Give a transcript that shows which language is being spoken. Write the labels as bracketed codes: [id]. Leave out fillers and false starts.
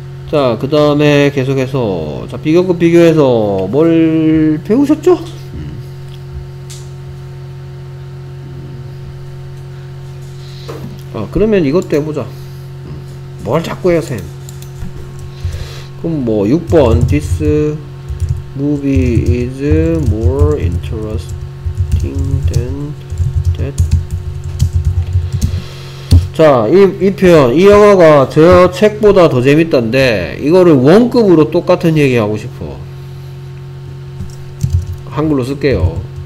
[ko] 자, 그 다음에 계속해서 자 비교급 비교해서 뭘 배우셨죠? 아 그러면 이것도 해보자. 뭘 자꾸 해요 쌤? 그럼 뭐 6번 [en] This movie is more interesting than that. [ko] 자, 이 표현, 이 영화가 저 책보다 더 재밌던데 이거를 원급으로 똑같은 얘기하고 싶어. 한글로 쓸게요.